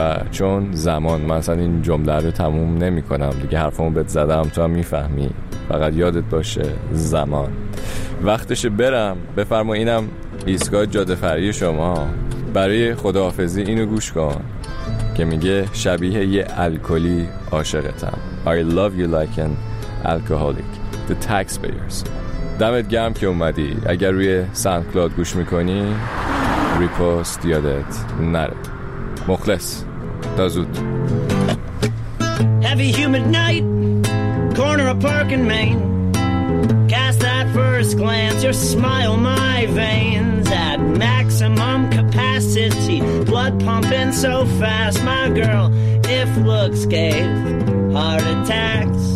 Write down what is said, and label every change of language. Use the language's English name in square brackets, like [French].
[Persian] چون زمان من اصلا این جمله رو تموم نمی کنم دیگه، حرفامو بهت زدم، تو هم میفهمی. فقط یادت باشه زمان وقتش برم. بفرما اینم ایستگاه جاده فرعی شما. برای خداحافظی اینو گوش کن که میگه شبیه یه الکلی عاشقتم. [English] I love you like an alcoholic. The taxpayers. [Persian] دمت گرم که اومدی. اگر روی سان کلاد گوش میکنی ریپوست یادت نره. مخلص. تا زود. [English] Heavy humid night, corner of park in Maine. Cast that first glance, your smile my veins. At maximum capacity, blood pumping so fast. My girl, if looks gave heart attacks.